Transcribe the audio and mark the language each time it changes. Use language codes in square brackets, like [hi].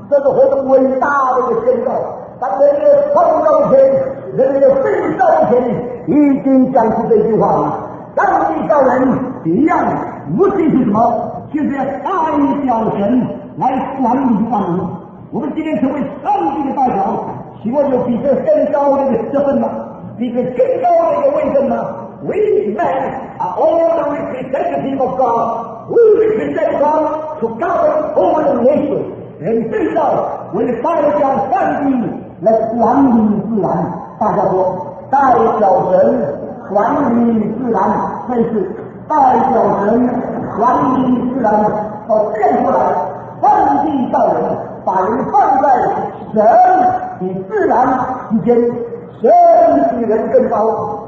[zh] 这是何等伟大的一个宣告！当人类创造前，人类被盗前，已经讲出这句话了。上帝造人一样，目的是什么？就是要代表神来管理万物。我们今天成为上帝的代表，希望有比这更高的一个身份吗？比这更高的一个位分吗？ [en] We men are all the representatives of God. We represent God to govern all the nations. [zh] 人最少为代表上帝来管理自然。大家说，代表人管理自然，这是代表人管理自然所变出来的。上帝造人，把人放在神与自然之间，神比人更高。